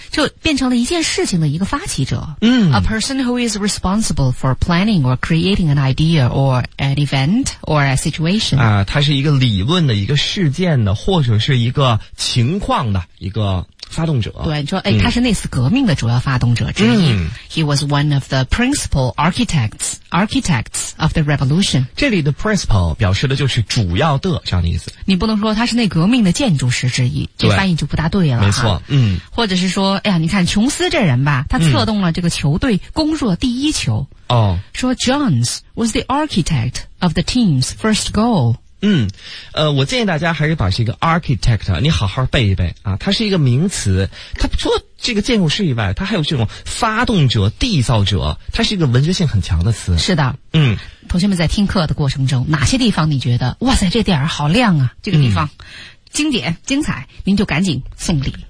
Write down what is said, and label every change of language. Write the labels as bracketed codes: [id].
[zh] 就变成了一件事情的一个发起者。嗯 [en] ，a person who is responsible for planning or creating an idea or an event or a situation [zh] 啊，他是一个理论的一个事件的，或者是一个情况的一个发动者。对，你说诶他是那次革命的主要发动者之一。 [en] He was one of the principal architects of the revolution. [zh] 这里的 principal 表示的就是主要的这样的意思。你不能说他是那革命的建筑师之一，这翻译就不大对了。没错，嗯。或者是说哎呀你看琼斯这人吧，他策动了这个球队攻入第一球。哦，说 [en] Jones was the architect of the team's first goal。 [zh] 嗯，我建议大家还是把这个 architect 你好好背一背啊，它是一个名词，它除了这个建筑师以外，它还有这种发动者、缔造者，它是一个文学性很强的词。是的，嗯，同学们在听课的过程中，哪些地方你觉得哇塞，这点儿好亮啊，这个地方、经典、精彩，您就赶紧送礼。